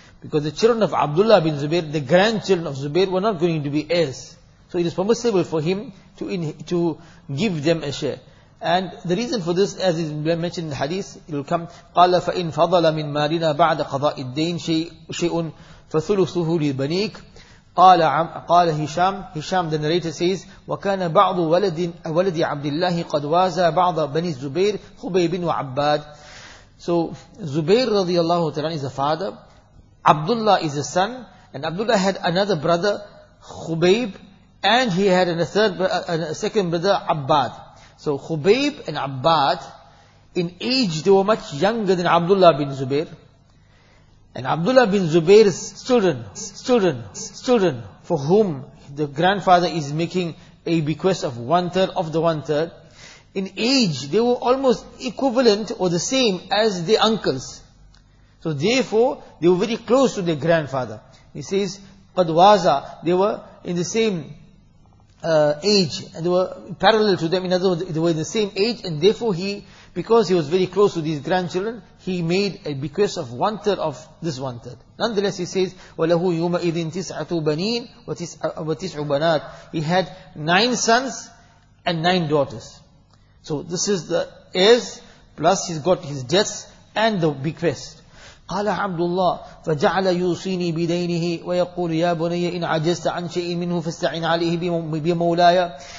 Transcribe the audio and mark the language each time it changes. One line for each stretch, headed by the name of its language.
English: Because the children of Abdullah bin Zubair, the grandchildren of Zubair, were not going to be heirs. So it is permissible for him to give them a share. And the reason for this, as is mentioned in the hadith, it will come,
Arabic: قَالَ فَإِنْ فَضَلَ مِنْ مَالِنَا بَعْدَ قَضَاءِ الدَّيْنِ شَيْءٌ فَثُلُثُهُ لِبَنِيكَ. قَالَ Hisham,
English: the narrator says,
Arabic: وَكَانَ بَعْضُ وَلَدِ عَبْدِ اللَّهِ قَدْ وَازَ بَعْضَ بَنِي الزُّبَيْرِ خُبَيْبٍ وَعَبَّادٍ.
English: So Zubair radiallahu ta'ala is a father. Abdullah is a son, and Abdullah had another brother, Khubayb, and he had a second brother, Abbad. So Khubayb and Abbad, in age, they were much younger than Abdullah bin Zubair. And Abdullah bin Zubair's children, for whom the grandfather is making a bequest of one third of the one third, in age, they were almost equivalent or the same as the uncles. So therefore, they were very close to their grandfather. He says, Qadwaza, they were in the same age, and they were parallel to them. In other words, they were in the same age, and therefore because he was very close to these grandchildren, he made a bequest of one third of this one third. Nonetheless, he says,
Arabic: وَلَهُ يُومَئِذٍ تِسْعَةُ بَنِينَ وَتِسْعُ بَنَاتٍ.
English: He had 9 sons and 9 daughters. So this is the heirs, plus he's got his debts and the bequest.
Arabic: قَالَ عَبْدُ اللَّهِ فَجَعْلَ يُوصِينِي بِدَيْنِهِ وَيَقُولُ يَا بُنَيَّ إِنْ عَجَزْتَ عَنْ شَيْءٍ مِّنْهُ فَاسْتَعِنْ عَلَيْهِ بِمَوْلَايَ.